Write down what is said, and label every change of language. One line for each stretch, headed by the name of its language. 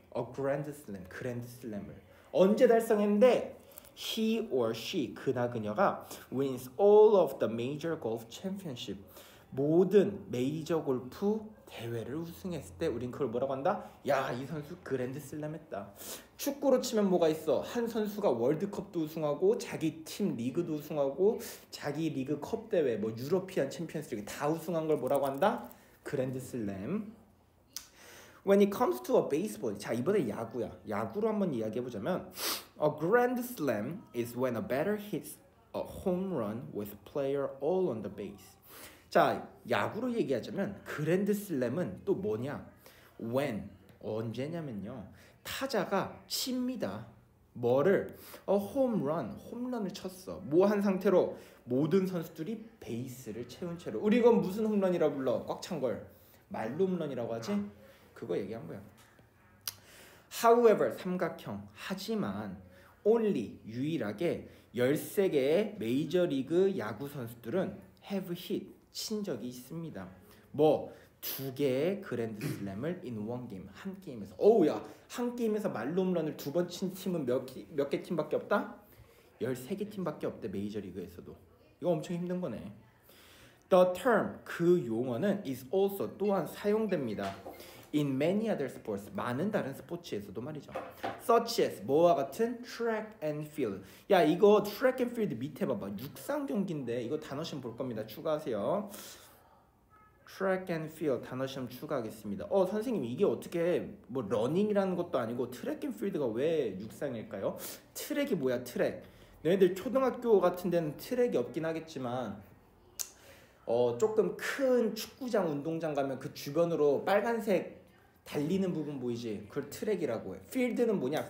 Korean: a grand slam, grand slam을 언제 달성했는데
English: he or she
Korean: 그나 그녀가
English: wins all of the major golf championship
Korean: 모든 메이저 골프 대회를 우승했을 때 우린 그걸 뭐라고 한다? 야, 이 선수 그랜드 슬램 했다. 축구로 치면 뭐가 있어? 한 선수가 월드컵도 우승하고 자기 팀 리그도 우승하고 자기 리그 컵 대회 뭐 유러피안 챔피언스 리그 다 우승한 걸 뭐라고 한다? 그랜드 슬램.
English: When it comes to a baseball
Korean: 자 이번에 야구야. 야구로 한번 이야기해 보자면
English: a grand slam is when a batter hits a home run with player all on the base
Korean: 자, 야구로 얘기하자면 그랜드 슬램은 또 뭐냐? When, 언제냐면요. 타자가 칩니다. 뭐를?
English: A home run,
Korean: 홈런을 쳤어. 뭐 한 상태로 모든 선수들이 베이스를 채운 채로. 우리 이건 무슨 홈런이라 불러? 꽉 찬 걸. 말로 홈런이라고 하지? 그거 얘기한 거야. However, 삼각형. 하지만 only, 유일하게 13개의 메이저리그 야구 선수들은
English: have hit,
Korean: 친 적이 있습니다. 뭐, 두 개의 그랜드 슬램을
English: in one game,
Korean: 한 게임에서. 오우 야, 한 게임에서 말로 홈런을 두 번 친 팀은 몇 개 팀밖에 없다? 13개 팀밖에 없대, 메이저리그에서도. 이거 엄청 힘든 거네.
English: The term,
Korean: 그 용어는
English: is also,
Korean: 또한 사용됩니다.
English: In many other sports,
Korean: 많은 다른 스포츠에서도 말이죠.
English: Such as,
Korean: 뭐와 같은?
English: Track and field.
Korean: 야, 이거
English: track and field
Korean: 밑에 봐봐. 육상 경기인데 이거 단어시험 볼 겁니다. 추가하세요. Track and field, 단어시험 추가하겠습니다. 어, 선생님, 이게 어떻게 뭐 러닝이라는 것도 아니고 track and field가 왜 육상일까요? 트랙이 뭐야, 트랙? 너희들 초등학교 같은 데는 트랙이 없긴 하겠지만 어 조금 큰 축구장 운동장 가면 그 주변으로 빨간색 달리는 부분 보이지? 그걸 트랙이라고 해. 필드는 뭐냐?